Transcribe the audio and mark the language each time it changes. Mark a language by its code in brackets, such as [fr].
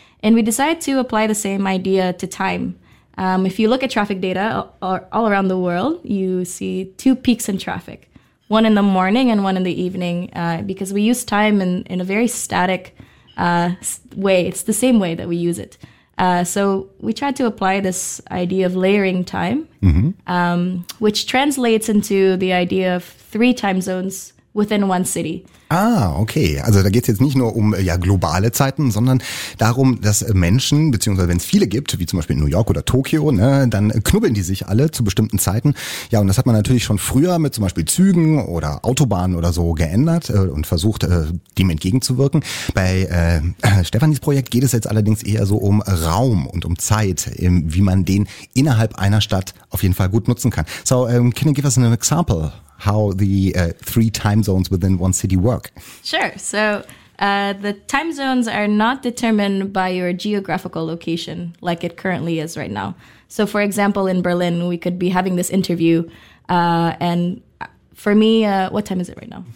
[en] And we decided to apply the same idea to time. If you look at traffic data all around the world, you see two peaks in traffic, one in the morning and one in the evening, because we use time in a very static way. It's the same way that we use it. So we tried to apply this idea of layering time, mm-hmm. Which translates into the idea of three time zones within one city. Ah, okay. [de] Also da geht es jetzt nicht nur um globale Zeiten, sondern darum, dass Menschen, beziehungsweise wenn es viele gibt, wie zum Beispiel in New York oder Tokio, ne, dann knubbeln die sich alle zu bestimmten Zeiten. Ja, und das hat man natürlich schon früher mit zum Beispiel Zügen oder Autobahnen oder so geändert und versucht, dem entgegenzuwirken. Bei Stephanies Projekt geht es jetzt allerdings eher so um Raum und um Zeit, wie man den innerhalb einer Stadt auf jeden Fall gut nutzen kann. [en] So, can you give us an example? How the three time zones within one city work? Sure. So the time zones are not determined by your geographical location like it currently is right now. So for example, in Berlin, we could be having this interview. And for me, what time is it right now?